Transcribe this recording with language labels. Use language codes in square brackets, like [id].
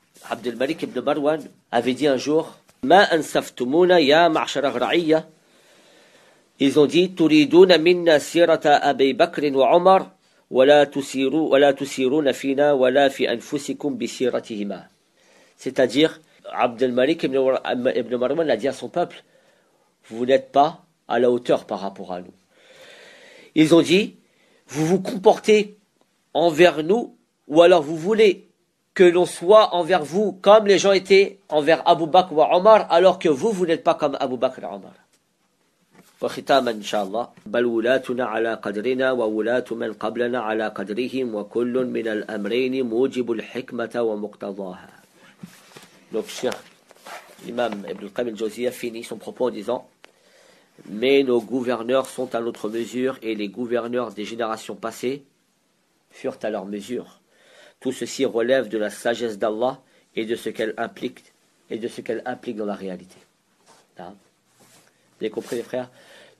[fr] Abdel Malik ibn Marwan avait dit un jour « [ar] Ma ansaftumuna ya ma'ashara ra'iyya [fr] » Ils ont dit « [ar] Turiduna minna sirata Abu Bakr ibn Omar [fr] » C'est-à-dire, Abdelmalik ibn Marwan a dit à son peuple, vous n'êtes pas à la hauteur par rapport à nous. Ils ont dit, vous vous comportez envers nous, ou alors vous voulez que l'on soit envers vous comme les gens étaient envers Abu Bakr ou Omar, alors que vous, vous n'êtes pas comme Abu Bakr ou Omar. [ar] وختاما إن شاء الله بل ولاتنا على قدرنا وولاة من قبلنا على قدرهم وكل من الأمرين موجب الحكمة ومقتضاها. [fr] Donc, cher Imam Ibn Qayyim al-Jawziyya finit son propos en disant « Mais nos gouverneurs sont à notre mesure et les gouverneurs des générations passées furent à leur mesure. Tout ceci relève de la sagesse d'Allah et de ce qu'elle implique dans la réalité. » Vous avez compris, les frères ?